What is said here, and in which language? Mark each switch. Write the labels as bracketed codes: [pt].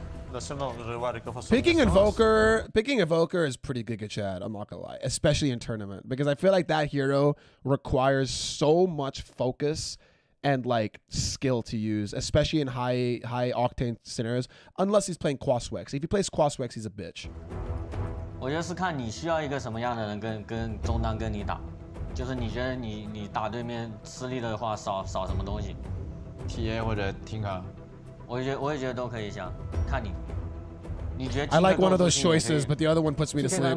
[en] Picking Invoker, is pretty giga chad, I'm not gonna lie, especially in tournament, because I feel like that hero requires so much focus and like skill to use, especially in high octane scenarios, unless he's playing Quaswex. If he plays Quaswex, he's a bitch. I think it's about you need a kind of person to fight with you. If you think you're fighting the other side, you're going to lose something. TA or Tinker. [zh] 我也觉得都可以想，看你，你觉得 [en] ？I like one of those choices, but the other one puts me to sleep.